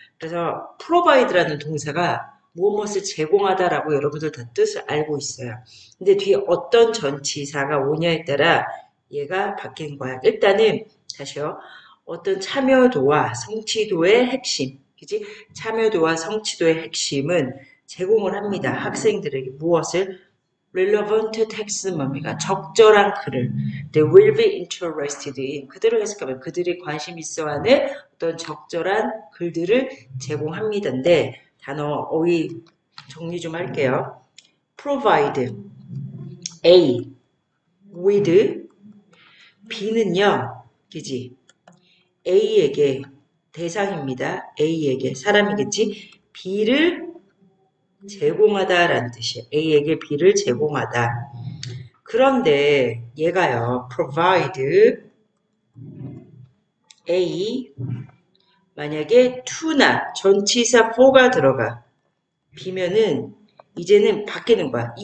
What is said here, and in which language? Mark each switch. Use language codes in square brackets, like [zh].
[ko] 그래서 provide라는 동사가 무엇을 제공하다라고 여러분들 다 뜻을 알고 있어요. 근데 뒤에 어떤 전치사가 오냐에 따라 얘가 바뀐 거야. 일단은 다시요. 어떤 참여도와 성취도의 핵심, 그지? 참여도와 성취도의 핵심은 제공을 합니다. 학생들에게 무엇을? [en] Relevant text, [ko] 뭡니까? 적절한 글을. [en] They will be interested in. [ko] 그대로 해석하면 그들이 관심 있어 하는 어떤 적절한 글들을 제공합니다인데, 단어 어휘 정리 좀 할게요. [en] Provide A with B [ko] 는요, 그지? A에게 대상입니다. A에게 사람이겠지? B를 제공하다라는 뜻이에요. A에게 B를 제공하다. 그런데 얘가요, provide A 만약에 to나 전치사 for가 들어가 비면은 이제는 바뀌는 거야.